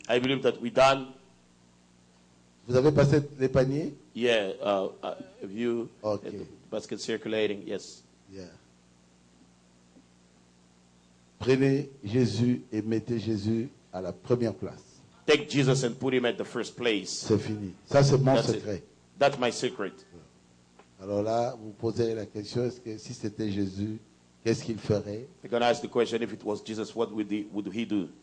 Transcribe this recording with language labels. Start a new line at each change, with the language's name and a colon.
English: I believe that we're done.
French: Vous avez passé les paniers?
English: Yeah, have you? Okay. Basket circulating, yes. Yeah.
French: Prenez Jésus et mettez Jésus à la première place.
English: Take Jesus and put him at the first place.
French: C'est fini. Ça, c'est mon secret.
English: That's my secret.
French: Alors là, vous posez la question, est-ce que si c'était Jésus, qu'est-ce qu'il ferait?
English: You can ask the question, if it was Jesus, what would he do?